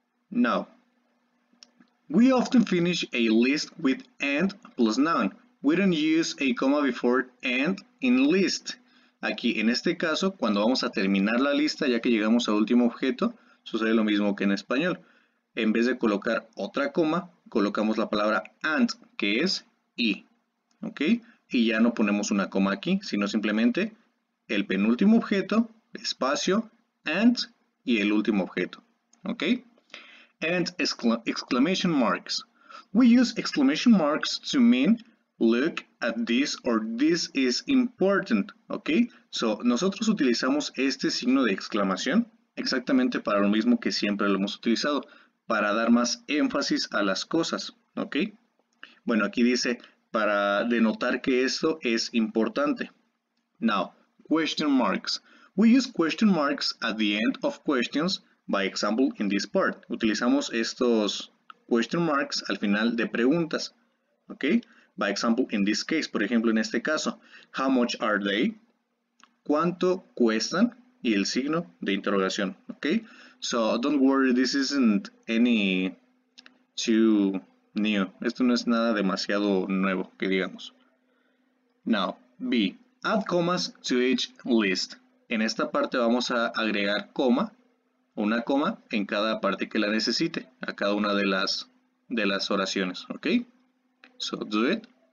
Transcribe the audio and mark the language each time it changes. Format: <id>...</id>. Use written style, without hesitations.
<en>Now, we often finish a list with and plus noun. We don't use a comma before and in list.</en> <es>Aquí, en este caso, cuando vamos a terminar la lista, ya que llegamos al último objeto, sucede lo mismo que en español. En vez de colocar otra coma, colocamos la palabra and, que es y. ¿Ok? Y ya no ponemos una coma aquí, sino simplemente el penúltimo objeto, espacio, and, y el último objeto. ¿Ok?</es> <en>And exclamation marks. We use exclamation marks to mean look at this or this is important. Okay?</en> <es>So, nosotros utilizamos este signo de exclamación exactamente para lo mismo que siempre lo hemos utilizado, para dar más énfasis a las cosas. Okay? Bueno, aquí dice para denotar que eso es importante.</es> <en>Now, question marks. We use question marks at the end of questions, by example, in this part.</en> <es>Utilizamos estos question marks al final de preguntas. Okay?</es> <en>By example, in this case,</en> <es>por ejemplo, en este caso,</es> <en>how much are they?</en> <es>¿Cuánto cuestan? Y el signo de interrogación. Okay?</es> <en>So, don't worry, this isn't any too new.</en> <es>Esto no es nada demasiado nuevo, que digamos.</es> <en>Now, B. Add commas to each list.</en> <es>En esta parte vamos a agregar coma, una coma, en cada parte que la necesite, a cada una de las oraciones.</es> <en>Okay? So, do it.</en>